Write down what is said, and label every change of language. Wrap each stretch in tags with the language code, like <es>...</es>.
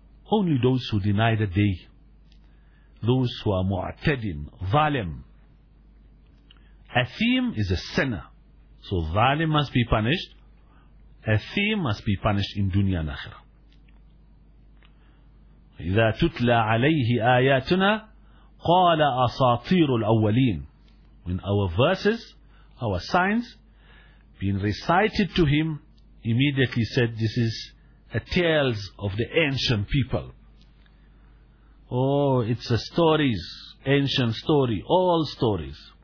<en>Only those who deny the day, those who are mu'tadin, ظالم. أثيم is a sinner. So ظالم must be punished. أثيم must be punished in dunya and akhirah.</en> <ar>إذا تتلى عليه آياتنا قال أساطير الأولين.</ar> <en>When our verses, our signs, being recited to him, immediately said, this is a tales of the ancient people. Oh, it's a stories, ancient story, all stories.</en>